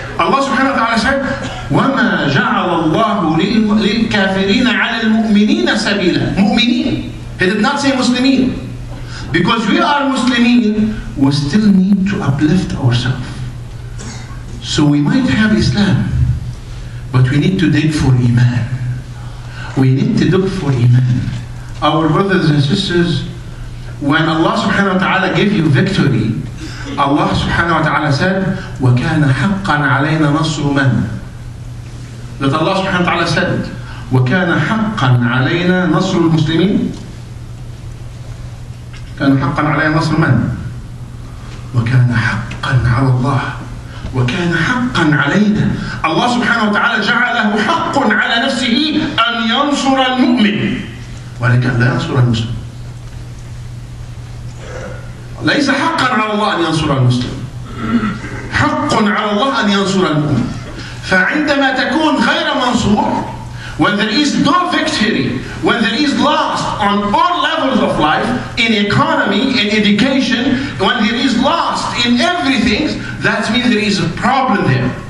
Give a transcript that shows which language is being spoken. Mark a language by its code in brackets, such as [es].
[en] Allah subhanahu wa ta'ala said, [ar] وَمَا جَعَلَ اللَّهُ لِلْكَافِرِينَ عَلَى الْمُؤْمِنِينَ سَبِيلًا. [en] مُؤْمِنِينَ. He did not say Muslimin. Because we are Muslimin, we still need to uplift ourselves. So we might have Islam, but we need to dig for Iman. We need to look for Iman. Our brothers and sisters, when Allah subhanahu wa ta'ala gave you victory, Allah subhanahu wa ta'ala said, [ar] وَكَانَ حَقًّا عَلَيْنَا نَصْرُ مَنْ. [en] That Allah subhanahu wa ta'ala said, [ar] وَكَانَ حَقًّا عَلَيْنَا نَصْرُ الْمُسْلِمِينَ. كَانَ حَقًّا عَلَيْنَا نَصْرُ مَنْ. وَكَانَ حَقًّا عَلَى اللَّهِ. وكان حقا علينا. الله سبحانه وتعالى جعله حق على نفسه أن ينصر المؤمن ولكن لا ينصر المسلم. ليس حقا على الله أن ينصر المسلم, حق على الله أن ينصر المؤمن. فعندما تكون غير منصور, [en] when there is no victory, when there is loss on all levels of life, in economy, in education, when there is loss in everything, that means there is a problem there.